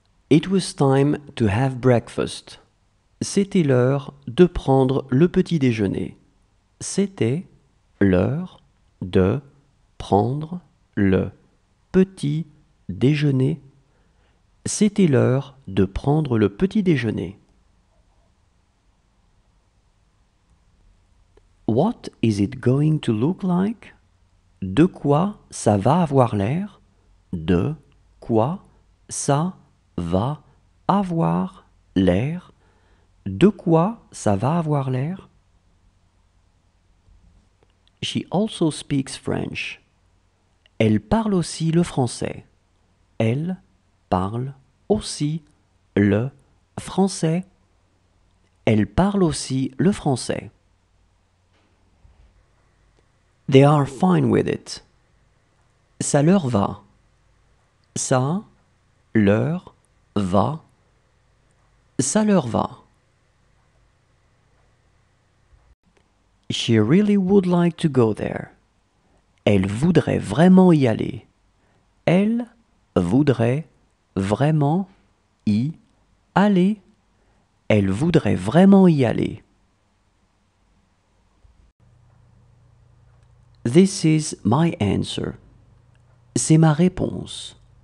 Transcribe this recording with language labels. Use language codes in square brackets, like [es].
[en] It was time to have breakfast. [fr] C'était l'heure de prendre le petit déjeuner. C'était l'heure de prendre le petit déjeuner. C'était l'heure de prendre le petit déjeuner. [en] What is it going to look like? [fr] De quoi ça va avoir l'air? De quoi ça va avoir l'air? De quoi ça va avoir l'air? [en] She also speaks French. [fr] Elle parle aussi le français. Elle parle aussi le français. Elle parle aussi le français. [en] They are fine with it. [fr] Ça leur va. Ça leur va. Ça leur va. [en] She really would like to go there. [fr] Elle voudrait vraiment y aller. Elle voudrait vraiment y aller. Elle voudrait vraiment y aller. [en] This is my answer. [fr] C'est ma réponse.